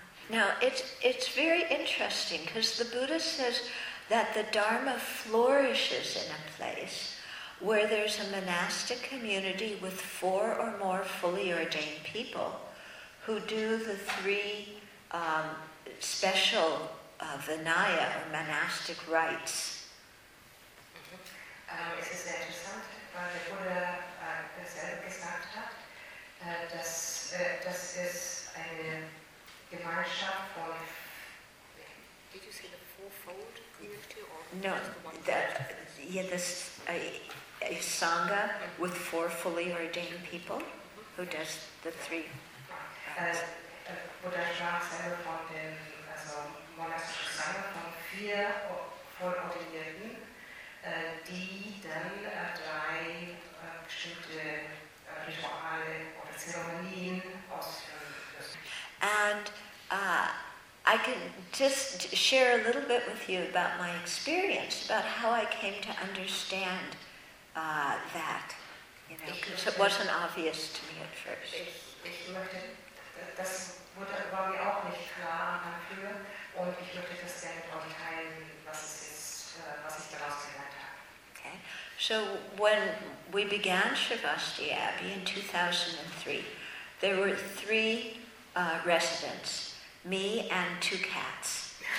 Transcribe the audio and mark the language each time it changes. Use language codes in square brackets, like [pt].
[en] Now, it's very interesting because the Buddha says that the Dharma flourishes in a place where there's a monastic community with four or more fully ordained people who do the three special Vinaya, or monastic rites. [de] Es ist sehr interessant, weil der Buddha dasselbe gesagt hat, dass es eine Gemeinschaft von [en] Did you say the fourfold community or no, the one? No, yeah, this a sangha with four fully ordained people who does the three. [de] Buddha sprach selber von dem also monastischen Sangha von vier voll ordinierten, die dann drei bestimmte Rituale oder Zeremonien ausführen müssen. [en] And I can just share a little bit with you about my experience, about how I came to understand that. You know, because it wasn't obvious to me at first. [de] Ich möchte, das wurde, war mir auch nicht klar am Anfang, und ich möchte das sehr mit euch teilen, was es ist, was ich daraus gelernt habe. [en] Okay. So when we began Shravasti Abbey in 2003, there were three residents. Me and two cats.